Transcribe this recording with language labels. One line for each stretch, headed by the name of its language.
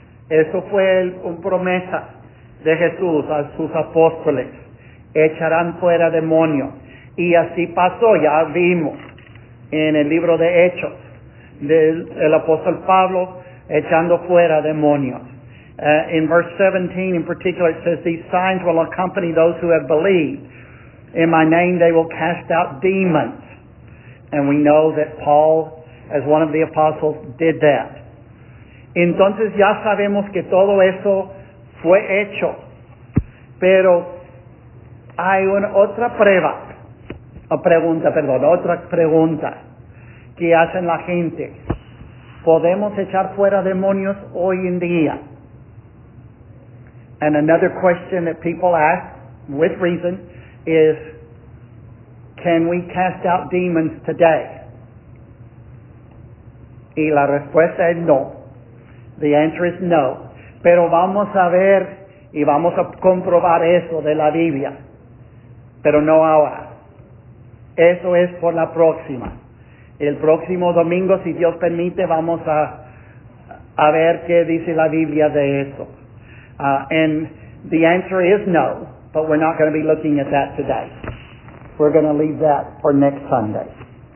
Spanish: Eso fue una promesa de Jesús a sus apóstoles. Echarán fuera demonios. Y así pasó, ya vimos en el libro de Hechos del apóstol Pablo echando fuera demonios.
English: In verse 17 in particular, it says, these signs will accompany those who have believed. In my name they will cast out demons. And we know that Paul, as one of the apostles, did that.
Spanish: Entonces ya sabemos que todo eso fue hecho. Pero hay otra pregunta que hacen la gente. ¿Podemos echar fuera demonios hoy en día?
English: And another question that people ask, with reason, is, can we cast out demons today?
Spanish: Y la respuesta es no.
English: The answer is no.
Spanish: Pero vamos a ver y vamos a comprobar eso de la Biblia. Pero no ahora. Eso es por la próxima. El próximo domingo, si Dios permite, vamos a ver qué dice la Biblia de eso.
English: And the answer is no, but we're not going to be looking at that today. We're going to leave that for next Sunday.